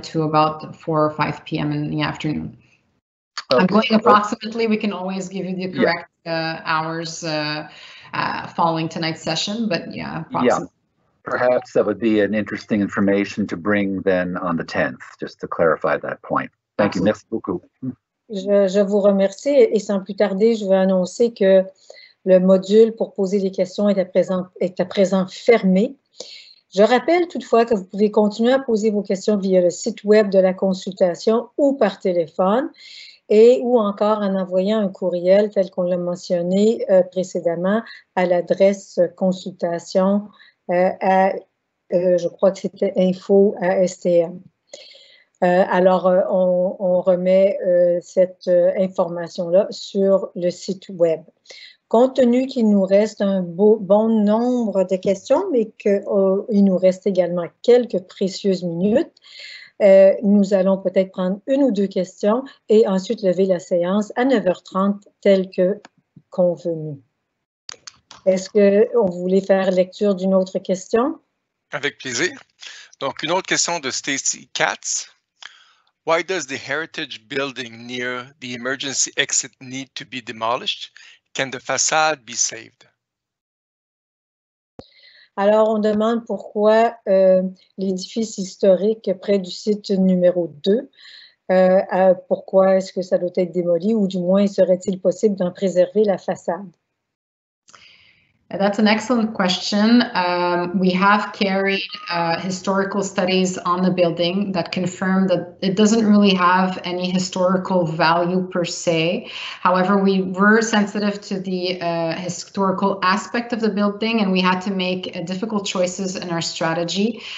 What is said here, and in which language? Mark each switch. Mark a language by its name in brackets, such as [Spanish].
[English] to about 4 or 5 p.m. in the afternoon. Okay. I'm going approximately, we can always give you the correct hours following tonight's session, but yeah, approximately. Yeah, perhaps that would be an interesting information to bring then on the 10th, just to clarify that point. Thank you, [French] merci beaucoup. Je vous remercie et sans plus tarder, je veux annoncer que le module pour poser des questions est à présent fermé. Je rappelle toutefois que vous pouvez continuer à poser vos questions via le site web de la consultation ou par téléphone et ou encore en envoyant un courriel tel qu'on l'a mentionné précédemment à l'adresse consultation je crois que c'était info@stm. On remet cette information-là sur le site web. Compte tenu qu'il nous reste un bon nombre de questions, mais qu'il nous reste également quelques précieuses minutes, nous allons peut-être prendre une ou deux questions et ensuite lever la séance à 9h30 tel que convenu. Est-ce que on voulait faire lecture d'une autre question? Avec plaisir. Donc, une autre question de Stacy Katz. [English] Why does the heritage building near the emergency exit need to be demolished? Can the facade be saved? [French] Alors, on demande pourquoi l'édifice historique près du site numéro 2, pourquoi est-ce que ça doit être démoli ou du moins serait-il possible d'en préserver la façade? [English] That's an excellent question. We have carried historical studies on the building that confirm that it doesn't really have any historical value per se. However, we were sensitive to the historical aspect of the building and we had to make difficult choices in our strategy.